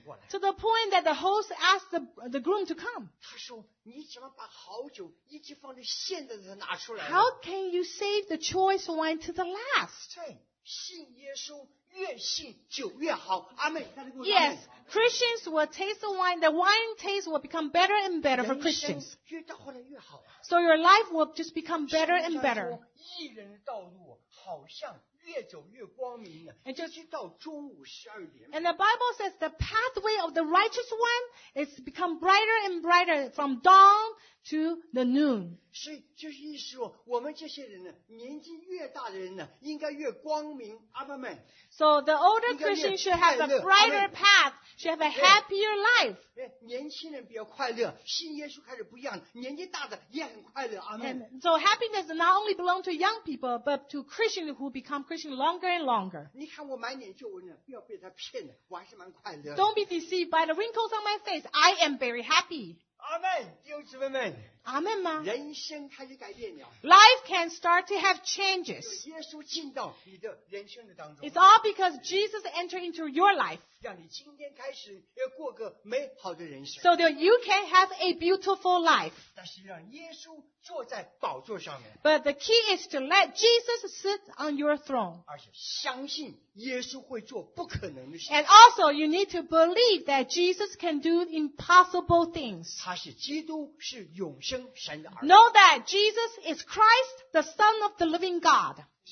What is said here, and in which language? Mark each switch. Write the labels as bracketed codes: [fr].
[en] To the point that the host asked the groom to come. [zh] 他说你怎么把好酒一直放在现在才拿出来 [en] How can you save the choice wine to the last? [zh] 对信耶稣越信酒越好阿们 [en] Yes, Christians will taste the wine. The wine taste will become better and better for Christians. [zh] 人生越到后来越好 [en] So your life will just become better and better. [zh] 艺人的道路好像越走越光明了，就是到中午十二点。 [en] And the Bible says the pathway of the righteous one is become brighter and brighter from dawn to the noon. [zh] 所以就是意思说，我们这些人呢，年纪越大的人呢，应该越光明。 [en] Amen. So the older Christian should have a brighter path, should have a happier life. [zh] 年轻人比较快乐，信耶稣开始不一样，年纪大的也很快乐。 [en] Amen. And so happiness does not only belong to young people, but to Christians who become Christian longer and longer. [zh] 你看我满脸皱纹呢，不要被他骗了，我还是蛮快乐的。 [en] Don't be deceived by the wrinkles on my face. I am very happy. [zh] 阿们，弟兄姊妹们。阿们吗？人生开始改变了。 [en] Life can start to have changes. [zh] 耶稣进到你的人生的当中。 [en] It's all because Jesus entered into your life. [zh] 让你今天开始要过个美好的人生。 [en] So that you can have a beautiful life. [zh] 但是让耶稣坐在宝座上面。 [en] But the key is to let Jesus sit on your throne. [zh] 而且相信耶稣会做不可能的事。 [en] And also you need to believe that Jesus can do impossible things. [zh] 他是基督，是永生。 [en] Know that Jesus is Christ, the Son of the living God.